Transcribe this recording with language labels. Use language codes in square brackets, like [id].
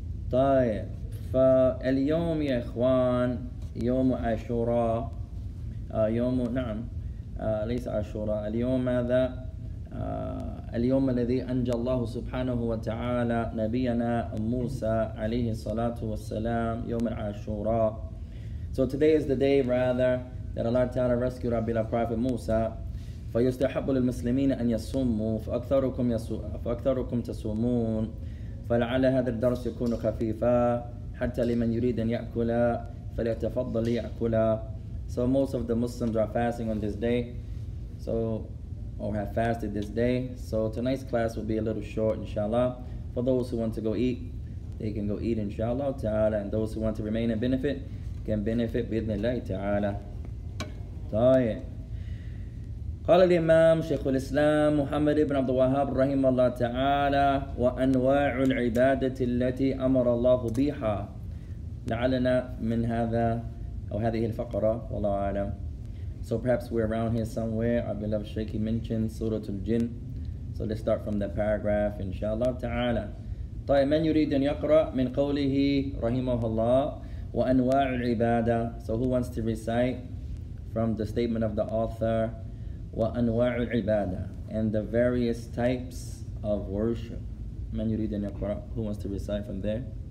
[ar] طيب فاليوم يا إخوان يوم عاشوراء. ليس عاشوراء, اليوم ماذا؟ اليوم الذي أنجى الله سبحانه وتعالى نبينا موسى عليه الصلاة والسلام, يوم عاشوراء. [en] So today is the day rather that Allah Ta'ala rescued our beloved prophet Musa. [ar] فَيُسْتَحَبُّ لِلْمُسْلِمِينَ أَنْ يَصُومُوا فَأَكْثَرُكُمْ تَصُومُونَ فَلَعَلَّ هَذَا الدَّرْسُ يَكُونُ خَفِيفًا حَتَّى لِمَنْ يُرِيدُ أَنْ يَأْكُلَ فَلْيَتَفَضَّلْ لِيَأْكُلَ. [en] So most of the Muslims are fasting on this day, so, or have fasted this day. So tonight's class will be a little short, inshallah. For those who want to go eat, they can go eat, inshallah ta'ala. And those who want to remain and benefit, can benefit [ar] بِإِذْنِ اللَّهِ تَعَالَى. قال الإمام شيخ الإسلام محمد بن عبد الوهاب رحمه الله تعالى وأنواع العبادة التي أمر الله بها. لعلنا من هذا أو هذه الفقرة والله أعلم. [en] So perhaps we're around here somewhere. Our beloved Sheikh, he mentioned سورة الجن. So let's start from that paragraph, inshallah تعالى. [ar] طيب من يريد أن يقرأ من قوله رحمه الله وأنواع العبادة. [en] So who wants to recite from the statement of the author, [ar] وَأَنْوَاعُ الْعِبَادَةِ, [en] and the various types of worship. [ar] من يريد أن يقرأ? [en] Who wants to recite from there?